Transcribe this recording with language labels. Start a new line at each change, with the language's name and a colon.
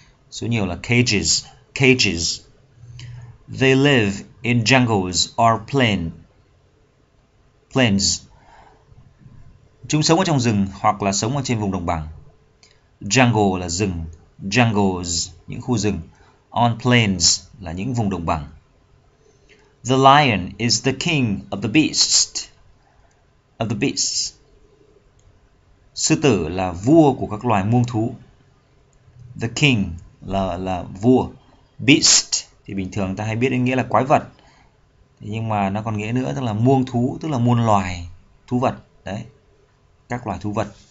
Vietnamese: Số nhiều là
English: cages, cages. They live in jungles or plains.
Vietnamese: Chúng sống ở trong rừng hoặc là sống ở trên vùng đồng bằng. Jungle là rừng, jungles những khu rừng, on plains là những vùng đồng bằng.
English: The lion is the king of the beast. Of the beasts.
Vietnamese: Sư tử là vua của các loài muông thú. The king là vua. Beast thì bình thường ta hay biết đến nghĩa là quái vật. Nhưng mà nó còn nghĩa nữa tức là muông thú, tức là muôn loài thú vật đấy. Các loài thú vật.